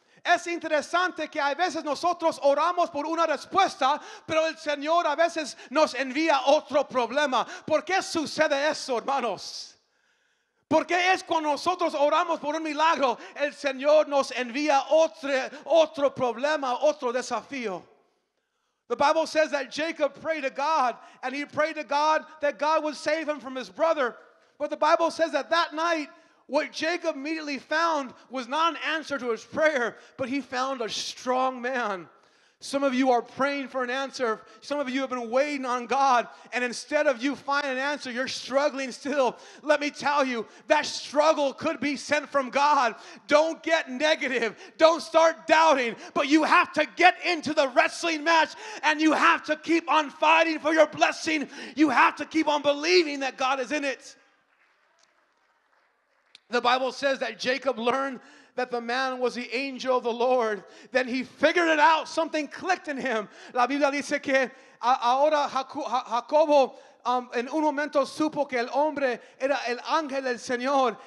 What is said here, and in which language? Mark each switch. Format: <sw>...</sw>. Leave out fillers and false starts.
<es>Es interesante que a veces nosotros oramos por una respuesta, pero el Señor a veces nos envía otro problema. ¿Por qué sucede eso, hermanos? ¿Por qué es cuando nosotros oramos por un milagro, el Señor nos envía otro problema, otro desafío?</es> <en>The Bible says that Jacob prayed to God, and he prayed to God that God would save him from his brother. But the Bible says that night, what Jacob immediately found was not an answer to his prayer, but he found a strong man. Some of you are praying for an answer. Some of you have been waiting on God, and instead of you finding an answer, you're struggling still. Let me tell you, that struggle could be sent from God. Don't get negative. Don't start doubting, but you have to get into the wrestling match, and you have to keep on fighting for your blessing. You have to keep on believing that God is in it. The Bible says that Jacob learned that the man was the angel of the Lord. Then he figured it out. Something clicked in him.</en> <es>La Biblia dice que ahora Jacobo en un momento supo que el hombre era el ángel del Señor.</es>